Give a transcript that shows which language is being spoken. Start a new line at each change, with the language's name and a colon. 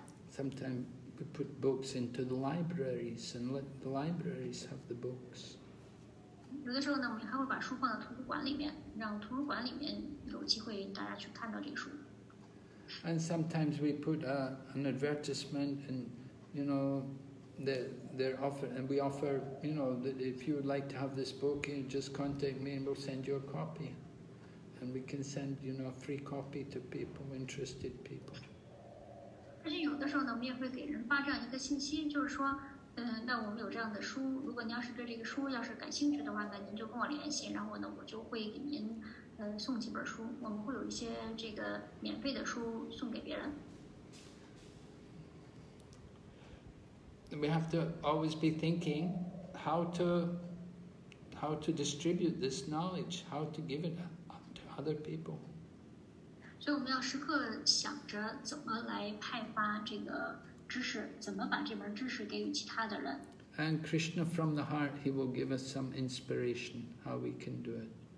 English: Sometimes we put books into the libraries and let the libraries have the books.
Chinese: 有的时候呢，我们还会把书放到图书馆里面，让图书馆里面有机会大家去看到这个书。
English: And sometimes we put an advertisement, and you know, they're offer, and we offer, you know, that if you would like to have this book, you just contact me, and we'll send you a copy, and we can send, you know, a free copy to people, interested people.
Chinese: 但是有的时候呢，我们也会给人发这样一个信息，就是说。那我们有这样的书，如果您要是对这个书要是感兴趣的话呢，您就跟我联系，然后呢，我就会给您，送几本书。我们会有一些这个免费的书送给别人。
English: We have to always be thinking how to distribute this knowledge, how to give it to other people.
Chinese: 所以我们要时刻想着怎么来派发这个。
English: And Krishna from the heart, he will give us some inspiration how we can do it.